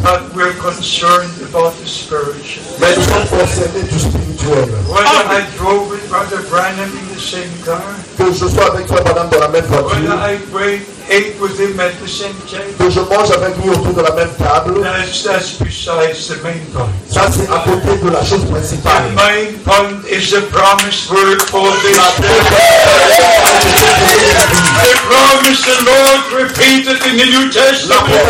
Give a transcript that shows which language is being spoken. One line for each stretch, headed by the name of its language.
English: But we're concerned about the spiritual.
French: Mais nous sommes concernés du spirituel.
English: When I drove with Brother Branham in the same car,
French: que je sois avec toi, madame, dans la même voiture,
English: when I ate with him at the same table,
French: que je mange avec lui autour de la même table,
English: that's besides the main point.
French: Ça, c'est à côté de la chose principale.
English: The main point is the promise word for this day. The promise the Lord repeated in the New Testament.